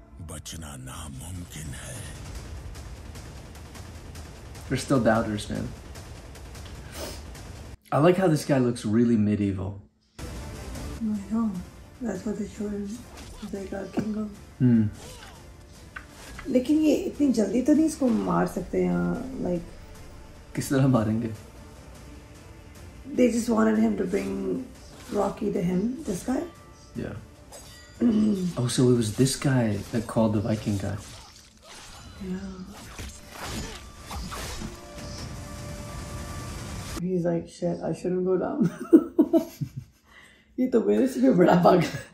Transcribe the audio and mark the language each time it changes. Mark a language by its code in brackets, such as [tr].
[hi] बचना नामुमकिन है. [en] There's still doubters, man. I like how this guy looks really medieval. I know. That's what they showed him. They got king of. [hi] लेकिन ये इतनी जल्दी तो नहीं इसको मार सकते यहाँ like. किस तरह मारेंगे? [en] They just wanted him to bring Rocky to him. This guy. Yeah. Oh, so it was this guy that called the Viking guy. Yeah. He's like, shit, I shouldn't go down. He's like, this is a big bug.